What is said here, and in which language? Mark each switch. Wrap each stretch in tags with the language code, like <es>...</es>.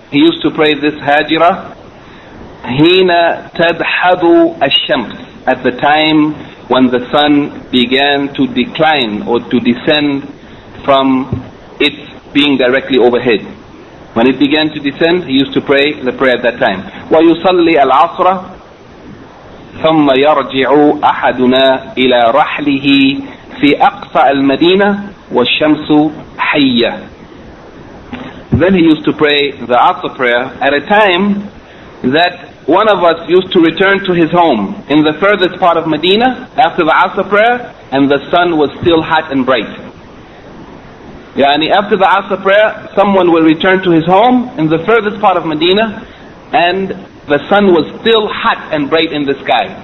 <en>He used to pray this hajira,</en> <ar>hina tadhadu ash-shams,</ar> <en>at the time when the sun began to decline or to descend from it being directly overhead. When it began to descend, he used to pray the prayer at that time.</en> <ar>Wa yusalli al-asra, ثم يرجع أحدنا إلى رحله في أقصى المدينة والشمس حية.</ar> <en>Then he used to pray the Asr prayer at a time that one of us used to return to his home in the furthest part of Medina after the Asr prayer, and the sun was still hot and bright. Yani after the Asr prayer, someone will return to his home in the furthest part of Medina, and the sun was still hot and bright in the sky.</en>